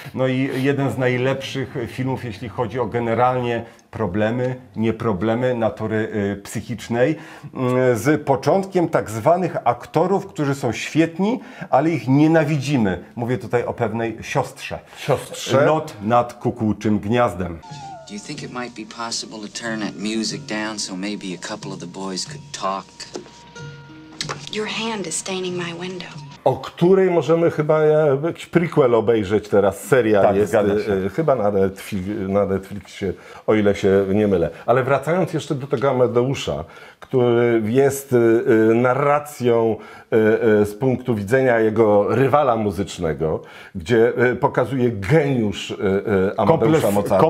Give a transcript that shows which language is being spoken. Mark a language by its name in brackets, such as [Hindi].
[Polish] No i jeden z najlepszych filmów, jeśli chodzi o generalnie problemy, nie problemy natury psychicznej, z początkiem tak zwanych aktorów, którzy są świetni, ale ich nienawidzimy. Mówię tutaj o pewnej siostrze. Siostrze? Lot nad kukułczym gniazdem. [English] Do you think it might be possible to turn that music down so maybe a couple of the boys could talk? Your hand is staining my window. [Polish] O której możemy chyba jakiś prequel obejrzeć teraz, serial tak, jest chyba na Netflixie, o ile się nie mylę. Ale wracając jeszcze do tego Amadeusza, który jest narracją z punktu widzenia jego rywala muzycznego, gdzie pokazuje geniusz Amadeusza Mozarta.